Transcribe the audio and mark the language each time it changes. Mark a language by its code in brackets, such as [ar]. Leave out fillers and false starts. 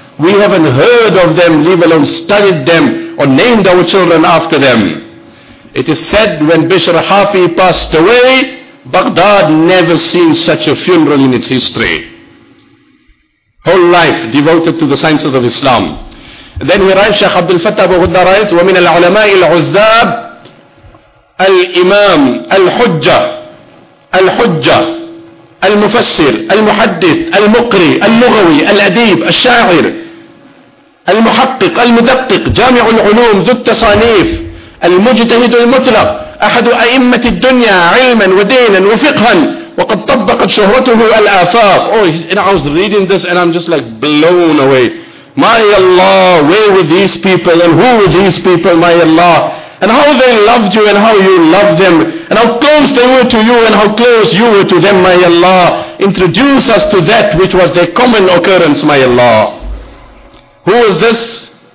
[en] We haven't heard of them, leave alone studied them or named our children after them. It is said when Bishr Hafi passed away, Baghdad never seen such a funeral in its history. Whole life devoted to the sciences of Islam. Then we write Sheikh Abdul Fattah Abu Ghudda writes, [ar] وَمِنَ الْعُلَمَاءِ الْعُزَّابِ الْإِمَامِ الْحُجَّةِ الْحُجَّةِ المفسر المحدث المقري اللغوي الأديب الشاعر المحقق المدقق جامع العلوم ذو التصانيف المجتهد المطلق أحد أئمة الدنيا علما ودينا وفقها وقد طبقت شهرته الآفاق. [en] Oh, and I was reading this and I'm just like blown away. My Allah, where were these people and who were these people, my Allah? And how they loved you and how you loved them. And how close they were to you and how close you were to them, my Allah. Introduce us to that which was their common occurrence, my Allah. Who is this?